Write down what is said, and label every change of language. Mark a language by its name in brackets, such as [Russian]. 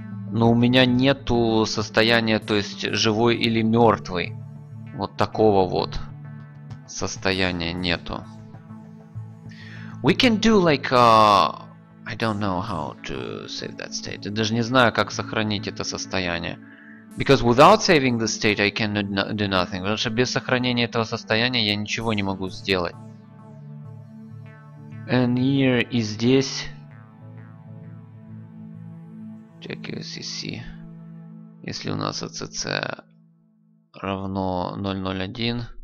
[Russian] Но у меня нету состояния, то есть живой или мертвый. Вот такого вот состояния нету. [English] We can do like I don't know how to save that state. [Russian] Я даже не знаю, как сохранить это состояние. [English] Because without saving the state, I can do nothing. [Russian] Потому что без сохранения этого состояния я ничего не могу сделать. [English] And here [Russian] и здесь. [English] Check your CC. [Russian] Если у нас ACC равно 001.